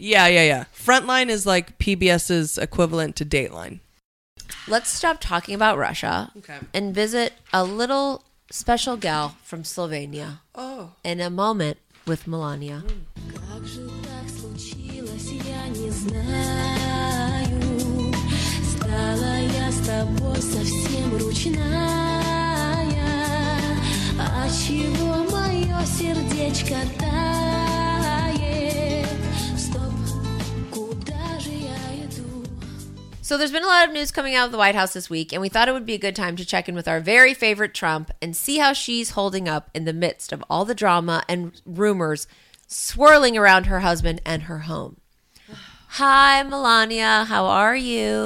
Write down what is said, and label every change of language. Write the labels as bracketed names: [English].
[English] Yeah. Frontline is like PBS's equivalent to Dateline. Let's stop talking about Russia and visit a little special gal from Slovenia. Oh, in a moment with Melania. [Russian] Стала я с тобой совсем ручная, а чего мое сердечко тает? Стоп, куда же я иду? [English] So there's been a lot of news coming out of the White House this week, and we thought it would be a good time to check in with our very favorite Trump and see how she's holding up in the midst of all the drama and rumors swirling around her husband and her home. Hi, Melania. How are you?